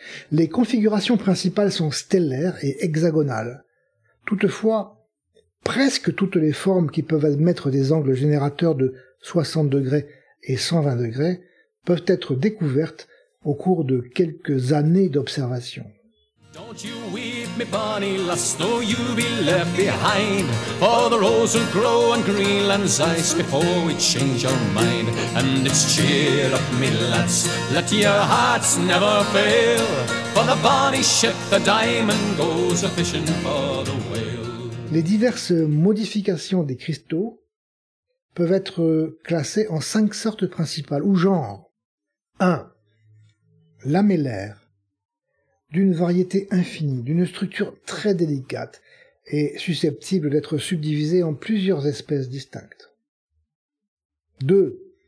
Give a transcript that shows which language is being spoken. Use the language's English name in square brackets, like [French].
[French] Les configurations principales sont stellaires et hexagonales. Toutefois, presque toutes les formes qui peuvent admettre des angles générateurs de 60 degrés et 120 degrés peuvent être découvertes au cours de quelques années d'observation. [English] Don't you weep, me bonny lass, though you be left behind. For the rose will grow on Greenland's ice before we change our mind. And it's cheer up, me lads, let your hearts never fail. For the bonny ship, the diamond, goes a-fishing for the whale. [French] Les diverses modifications des cristaux peuvent être classées en cinq sortes principales ou genres. 1. Lamellaire. D'une variété infinie, d'une structure très délicate et susceptible d'être subdivisée en plusieurs espèces distinctes. 2.